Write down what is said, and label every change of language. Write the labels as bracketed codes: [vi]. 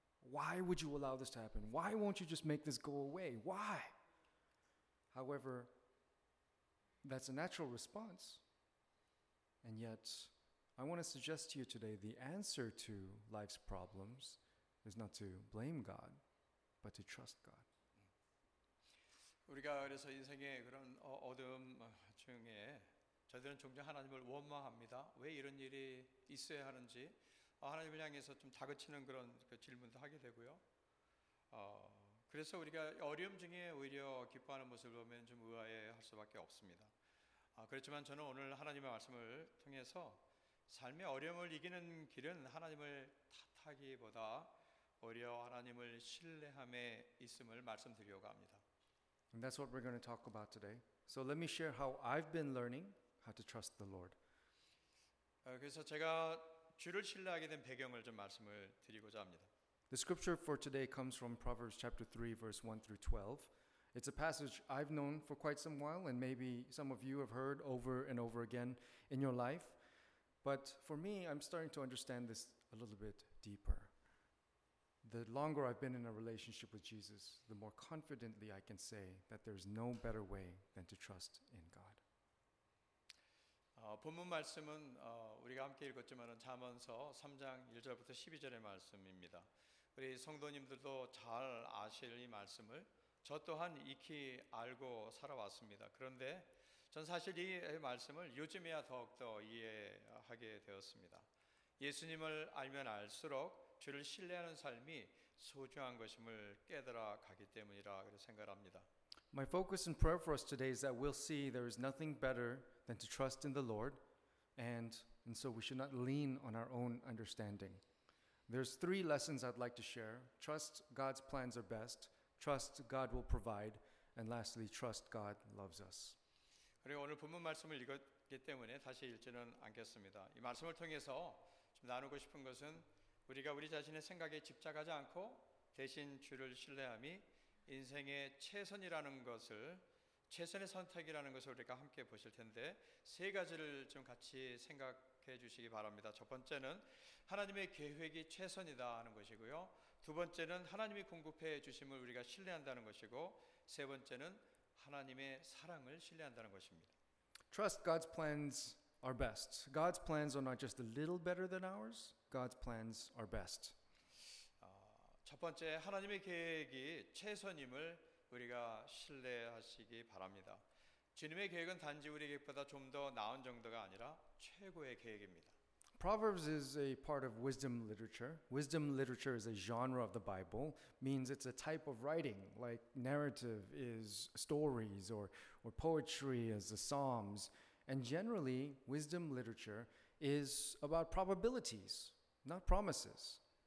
[en] Why would you allow this to happen? Why won't you just make this go away? Why? However, that's a natural response. And yet, I want to suggest to you today the answer to life's problems is not to blame God, but to trust God. [ko] 우리가 그래서 인생의 그런 어둠 중에 저들은 종종 하나님을 원망합니다. 왜 이런 일이 있어야 하는지 하나님을 향해서 좀 다그치는 그런 그 질문도 하게 되고요. 그래서 우리가 어려움 중에 오히려 기뻐하는 모습을 보면 좀 의아해할 수밖에 없습니다. 그렇지만 저는 오늘 하나님의 말씀을 통해서 삶의 어려움을 이기는 길은 하나님을 탓하기보다 오히려 하나님을 신뢰함에 있음을 말씀드리려고 합니다. [en] And that's what we're going to talk about today. So let me share how I've been learning how to trust the Lord. [ko] 그래서 제가 주를 신뢰하게 된 배경을 좀 말씀을 드리고자 합니다. [en] The scripture for today comes from Proverbs chapter 3 verse 1 through 12. It's a passage I've known for quite some while and maybe some of you have heard over and over again in your life. But for me, I'm starting to understand this a little bit deeper. The longer I've been in a relationship with Jesus, the more confidently I can say that there's no better way than to trust in God. [ko] 본문 말씀은 우리가 함께 읽었지만은 잠언서 3장 1절부터 12절의 말씀입니다. 우리 성도님들도 잘 아실 이 말씀을 저 또한 익히 알고 살아왔습니다. 그런데 전 사실 이 말씀을 요즘에야 더욱더 이해하게 되었습니다. 예수님을 알면 알수록 주를 신뢰하는 삶이 소중한 것임을 깨달아 가기 때문이라 그렇게 생각합니다. [en] My focus in prayer for us today is that we'll see there is nothing better than to trust in the Lord, and so we should not lean on our own understanding. There's three lessons I'd like to share. Trust God's plans are best. Trust God will provide. And lastly, trust God loves us. [ko] 그리고 오늘 본문 말씀을 읽었기 때문에 다시 읽지는 않겠습니다. 이 말씀을 통해서 좀 나누고 싶은 것은 우리가 우리 자신의 생각에 집착하지 않고 대신 주를 신뢰함이 인생의 최선이라는 것을 최선의 선택이라는 것을 우리가 함께 보실 텐데 세 가지를 좀 같이 생각해 주시기 바랍니다. 첫 번째는 하나님의 계획이 최선이다 하는 것이고요. 두 번째는 하나님이 공급해 주심을 우리가 신뢰한다는 것이고 세 번째는 하나님의 사랑을 신뢰한다는 것입니다. [en] Trust God's plans are best. God's plans are not just a little better than ours. God's plans are best. [ko] 첫 번째, 하나님의 계획이 최선임을 우리가 신뢰하시기 바랍니다. 주님의 계획은 단지 우리 계획보다 좀 더 나은 정도가 아니라 최고의 계획입니다. [en] Proverbs is a part of wisdom literature. Wisdom literature is a genre of the Bible, means it's a type of writing, like narrative is stories or poetry is the Psalms. And generally, wisdom literature is about probabilities, not promises.